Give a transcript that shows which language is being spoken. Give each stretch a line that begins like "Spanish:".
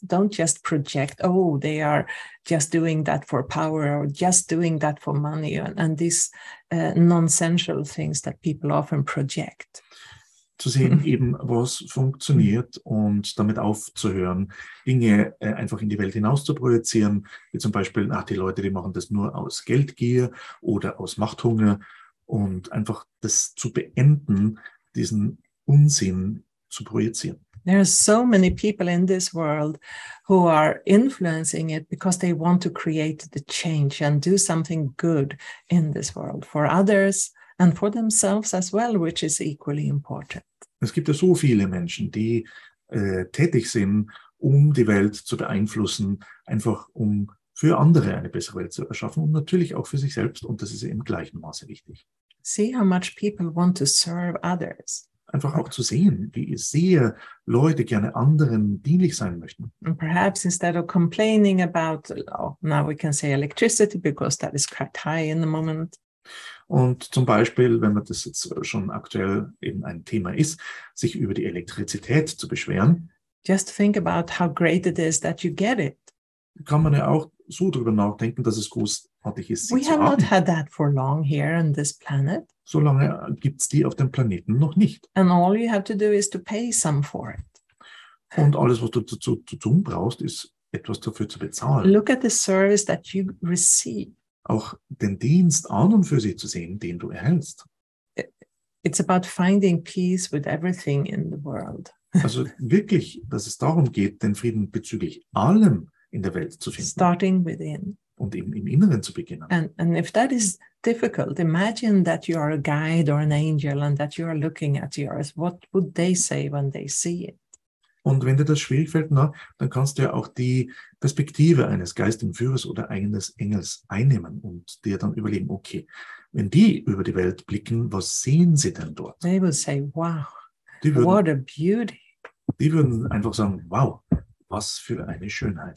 English: Don't just project, oh, they are just doing that for power or just doing that for money and these nonsensical things that people often project.
German: Zu sehen eben, was funktioniert und damit aufzuhören, Dinge einfach in die Welt hinaus zu projizieren, wie zum Beispiel, ach, die Leute, die machen das nur aus Geldgier oder aus Machthunger. Und einfach das zu beenden, diesen Unsinn zu projizieren.
English: There are so many people in this world who are influencing it because they want to create the change and do something good in this world for others and for themselves as well, which is equally important.
German: Es gibt ja so viele Menschen, die tätig sind, um die Welt zu beeinflussen, einfach um für andere eine bessere Welt zu erschaffen und natürlich auch für sich selbst. Und das ist im gleichen Maße wichtig.
English: See how much people want to serve others.
German: Einfach auch zu sehen, wie sehr Leute gerne anderen dienlich sein möchten.
English: And perhaps instead of complaining about, oh, now we can say electricity, because that is quite high in the moment.
German: Und zum Beispiel, wenn man das jetzt schon aktuell eben ein Thema ist, sich über die Elektrizität zu beschweren.
English: Just think about how great it is that you get it.
German: Kann man ja auch so darüber nachdenken, dass es großartig ist, sie
English: We
German: zu
English: have
German: haben.
English: Not had that for long here on this planet.
German: So lange gibt es die auf dem Planeten noch nicht.
English: And all you have to do is to pay some for it.
German: Und alles, was du dazu zu tun brauchst, ist, etwas dafür zu bezahlen.
English: Look at the service that you receive.
German: Auch den Dienst an und für sich zu sehen, den du erhältst.
English: It's about finding peace with everything in the world.
German: Also wirklich, dass es darum geht, den Frieden bezüglich allem in der Welt zu finden.
English: Starting within.
German: Und eben im Inneren zu beginnen.
English: And if that is difficult, imagine that you are a guide or an angel and that you are looking at the earth. What would they say when they see it?
German: Und wenn dir das schwierig fällt, na, dann kannst du ja auch die Perspektive eines geistigen Führers oder eines Engels einnehmen und dir dann überlegen, okay, wenn die über die Welt blicken, was sehen sie denn dort?
English: They will say, wow, what a beauty.
German: Die würden einfach sagen, wow, was für eine Schönheit.